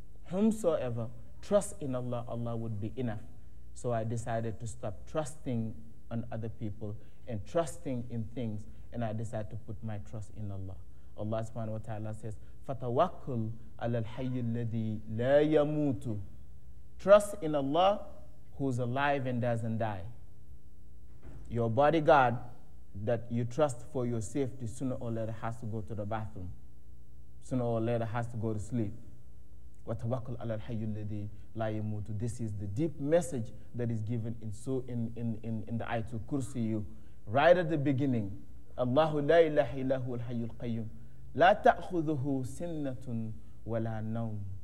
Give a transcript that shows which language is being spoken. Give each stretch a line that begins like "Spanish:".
English: Whomsoever trust in Allah, Allah would be enough. So I decided to stop trusting on other people and trusting in things, and I decided to put my trust in Allah.
Arabic: Allah subhanahu wa ta'ala says, فَتَوَكُّلْ عَلَى الْحَيِّ الَّذِي لَا يَمُوتُ.
English: Trust in Allah who's alive and doesn't die. Your bodyguard that you trust for your safety sooner or later has to go to the bathroom. Sooner or later has to go to sleep.
Arabic: وَتَوَكُّلْ عَلَى الْحَيِّ الَّذِي لَا يَمُوتُ.
English: This is the deep message that is given in the Ayatul Kursi, right at the beginning.
Arabic: الله لا إله إلا هو الحي القيوم لا تأخذه سنة ولا نوم.